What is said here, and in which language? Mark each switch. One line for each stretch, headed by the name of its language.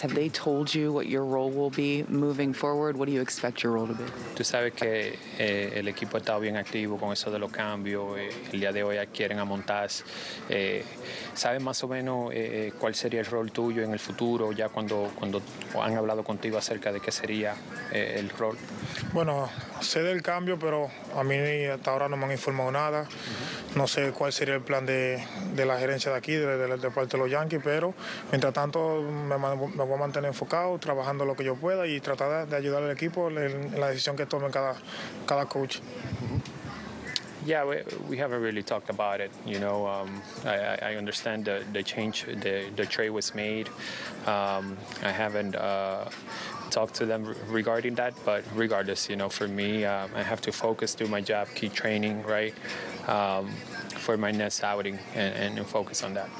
English: Have they told you what your role will be moving forward? What do you expect your role to be?
Spanish: Tú sabes que el equipo está bien activo con eso de los cambios. El día de hoy adquieren a Montas. ¿Sabes más o menos cuál sería el rol tuyo en el futuro, ya cuando han hablado contigo acerca de qué sería el rol? Bueno, sé del cambio, pero a mí hasta ahora no me han informado nada. Uh-huh. No sé cuál sería el plan de la gerencia de aquí, de parte de los Yankees, pero mientras tanto me voy a mantener enfocado, trabajando lo que yo pueda y tratar de ayudar al equipo en la decisión que tome cada coach.
English: Yeah, we haven't really talked about it. You know, I understand the change, the trade was made. I haven't talked to them regarding that, but regardless, you know, for me, I have to focus, do my job, keep training, right, for my next outing and focus on that.